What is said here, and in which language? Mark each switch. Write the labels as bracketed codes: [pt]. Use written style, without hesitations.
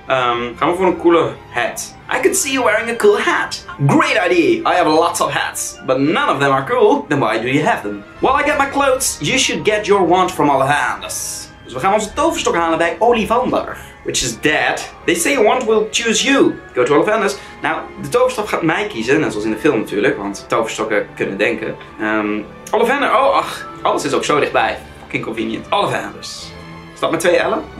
[nl] Gaan we voor een coole hat. [en] I can see you wearing a cool hat. Great idea. I have lots of hats. But none of them are cool. Then why do you have them? While I get my clothes, you should get your wand from Ollivander's. [nl] Dus we gaan onze toverstok halen bij Ollivander. [en] Which is dead. They say a wand will choose you. Go to Ollivander's. [nl] Nou, de toverstok gaat mij kiezen. Net zoals in de film natuurlijk. Want toverstokken kunnen denken. Ollivander. Oh, ach. Alles is ook zo dichtbij. [en] Fucking convenient. [nl] Ollivander's. Stap met twee L'en.